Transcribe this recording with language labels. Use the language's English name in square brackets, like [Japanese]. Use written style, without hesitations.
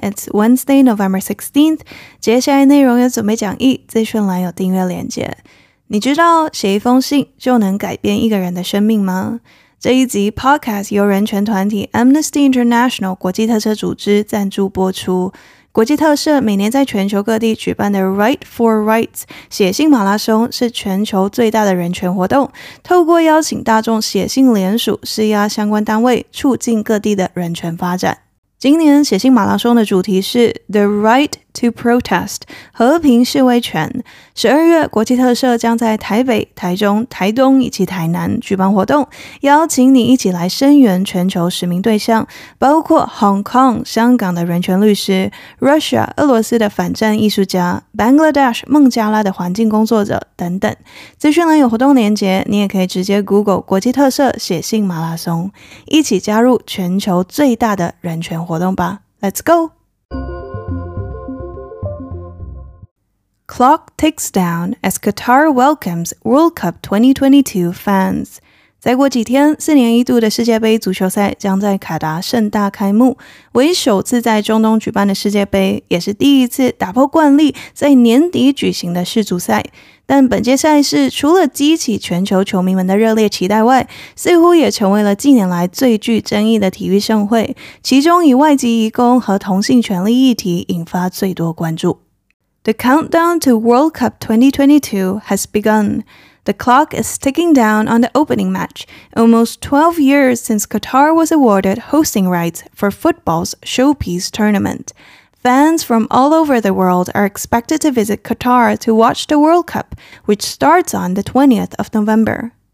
[English] It's Wednesday, November 16th. [Chinese] 接下来内容有准备讲义，资讯栏有订阅连结。你知道写一封信就能改变一个人的生命吗？这一集 Podcast 由人权团体 Amnesty International 国际特赦组织赞助播出。国际特赦每年在全球各地举办的 Write for Rights 写信马拉松是全球最大的人权活动，透过邀请大众写信联署，施压相关单位，促进各地的人权发展。今年写信马拉松的主题是 [English] The Right to Protest， [Chinese] 和平示威权。 12月国际特赦将在台北、台中、台东以及台南举办活动，邀请你一起来声援全球实名对象，包括 Hong Kong 香港的人权律师， Russia 俄罗斯的反战艺术家， Bangladesh 孟加拉的环境工作者等等。资讯栏有活动连结，你也可以直接 Google 国际特赦写信马拉松，一起加入全球最大的人权活动吧。 [English] Let's go! Clock ticks down as Qatar welcomes World Cup 2022 fans. [Chinese] 再过几天，四年一度的世界杯足球赛将在卡达盛大开幕。为首次在中东举办的世界杯，也是第一次打破惯例在年底举行的世足赛。但本届赛事除了激起全球球迷们的热烈期待外，似乎也成为了近年来最具争议的体育盛会，其中以外籍移工和同性权利议题引发最多关注。 [English] The countdown to World Cup 2022 has begun. The clock is ticking down on the opening match, almost 12 years since Qatar was awarded hosting rights for football's showpiece tournament. Fans from all over the world are expected to visit Qatar to watch the World Cup, which starts on the 20th of November.